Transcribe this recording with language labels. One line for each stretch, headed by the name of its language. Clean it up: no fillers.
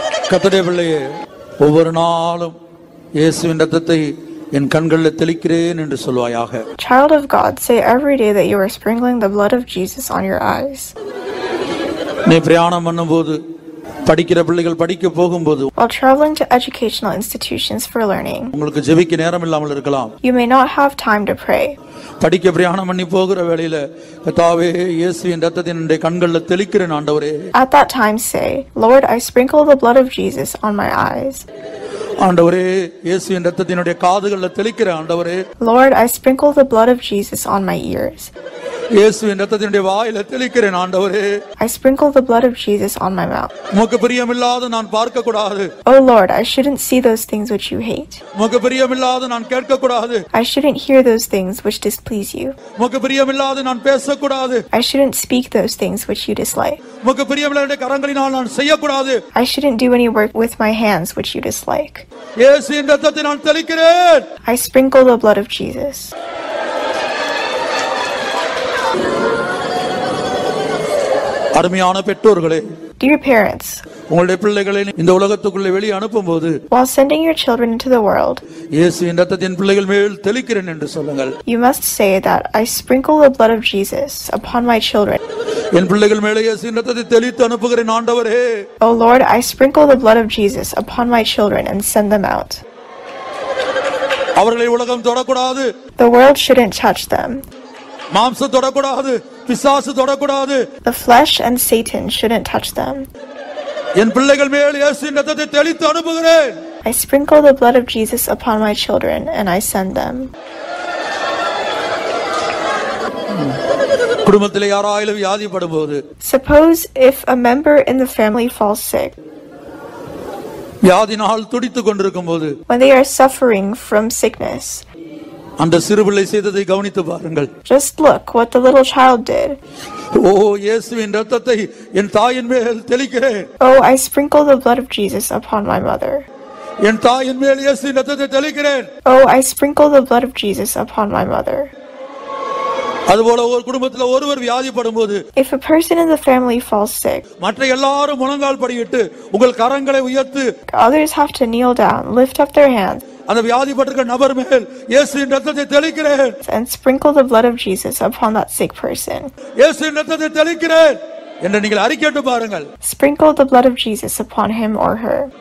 Tamil: கத்துடைய பிள்ளையே, ஒவ்வொரு நாளும் இயேசுவின் ரத்தத்தை என் கண்களில் தெளிக்கிறேன் என்று சொல்வாயாக.
English: Child of God, say every day that you are sprinkling the blood of Jesus on your eyes.
Tamil: நீ பிரயாணம் பண்ணும்போது, படிக்கிற பிள்ளைகள் படிக்க போகும்போது,
English: while traveling to educational institutions for learning,
Tamil: உங்களுக்கு ஜெபிக்க நேரம் இல்லாமல் இருக்கலாம்.
English: You may not have time to pray.
Tamil: படிக்க பிரயாணம் பண்ணி போகிற வேளையில, கர்த்தாவே, இயேசுவின் ரத்தத்தின் என் கண்களில் தெளிக்கிறேன் ஆண்டவரே.
English: At that time say, Lord, I sprinkle the blood of Jesus on my eyes.
Tamil: ஆண்டவரே, இயேசுவின் ரத்தத்தினுடைய காதுகளில் தெளிக்கிறேன் ஆண்டவரே.
English: Lord, I sprinkle the blood of Jesus on my ears.
Tamil: இயேசுவின் ரத்தத்தினுடைய வாயில தெளிக்கிறேன் ஆண்டவரே.
English: I sprinkle the blood of Jesus on my mouth.
Tamil: உமக்கு பிரியமில்லாத நான் பார்க்க கூடாது.
English: Oh Lord, I shouldn't see those things which you hate.
Tamil: உமக்கு பிரியமில்லாத நான் கேட்க கூடாது.
English: I shouldn't hear those things which displease you.
Tamil: உமக்கு பிரியமில்லாத நான் பேச கூடாது.
English: I shouldn't speak those things which you dislike.
Tamil: உமக்கு பிரியமில்லாத கரங்களினால் நான் செய்ய கூடாது.
English: I shouldn't do any work with my hands which you dislike.
Tamil: இயேசுவின் ரத்தத்தை நான் தெளிக்கிறேன்.
English: I sprinkle the blood of Jesus.
Tamil: அருமையான பெற்றோர்களே,
English: Dear parents,
Tamil: உங்களுடைய பிள்ளைகளை இந்த உலகத்துக்குள்ளே வெளியே அனுப்பும்போது,
English: while sending your children into the world,
Tamil: இயேசுவின் ரத்தத்தின் பிள்ளைகள் மேல் தெளிக்கிறேன் என்று சொல்லுங்கள்.
English: You must say that I sprinkle the blood of Jesus upon my children.
Tamil: என் பிள்ளைகள் மேல் இயேசுவின் ரத்தத்தை தெளித்து அனுப்புகிறேன் ஆண்டவரே.
English: Oh Lord, I sprinkle the blood of Jesus upon my children and send them out.
Tamil: அவர்களை உலகம் தொடக்கூடாது.
English: The world shouldn't touch them.
Tamil: மாம்சம் தொடக்கூடாது. பிசாசு தொடக்கூடாது.
English: The flesh and Satan shouldn't touch them.
Tamil: என் பிள்ளைகள் மேல் இயேசுவின் ரத்தத்தை தெளித்து அனுப்புகிறேன்.
English: I sprinkle the blood of Jesus upon my children and I send them.
Tamil: குடும்பத்தில் யாராவது வியாதிப்படும் போது,
English: suppose if a member in the family falls sick,
Tamil: வியாதியினால் துடித்துக் கொண்டிருக்கும் போது,
English: when they are suffering from sickness,
Tamil: அந்த சிறுபிள்ளை செய்ததை கவனித்து பாருங்கள்.
English: Just look what the little child did.
Tamil: ஓ, இயேசுவின் ரத்தத்தை என் தாயின் மேல் தெளிக்கிறேன்.
English: Oh, I sprinkle the blood of Jesus upon my mother.
Tamil: என் தாயின் மேல் இயேசுவின் ரத்தத்தை தெளிக்கிறேன்.
English: Oh, I sprinkle the blood of Jesus upon my mother.
Tamil: அதுபோல ஒரு குடும்பத்தில் ஒருவர் வியாதிப்படும் போது,
English: if a person in the family falls sick,
Tamil: மற்ற எல்லாரும் முழங்கால் படியிட்டு உங்கள் கரங்களை உயர்த்து,
English: others have to kneel down, lift up their hands,
Tamil: அந்த வியாதிப்பட்டிருக்க நபர் மேல் இயேசுவின் ரத்தத்தை தெளிக்கிறேன்.
English: And sprinkle the blood of Jesus upon that sick person.
Tamil: இயேசுவின் ரத்தத்தை தெளிக்கிறேன் என்று நீங்கள் அறிக்கையிட்டு பாருங்கள்.
English: Sprinkle the blood of Jesus upon him or her.